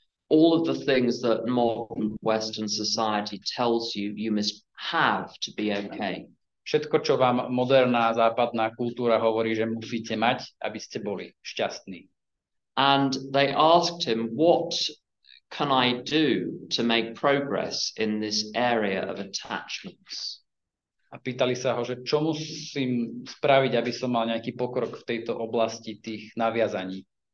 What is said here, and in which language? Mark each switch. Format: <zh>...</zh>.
<en>All of the things that modern Western society tells you you must have to be okay.</en> <sk>Všetko, čo vám moderná západná kultúra hovorí, že musíte mať, aby ste boli šťastní.</sk> <en>And they asked him, what can I do to make progress in this area of attachments?</en> <sk>A pýtali sa ho, že čo musím spraviť, aby som mal nejaký pokrok v tejto oblasti tých naviazaní.</sk>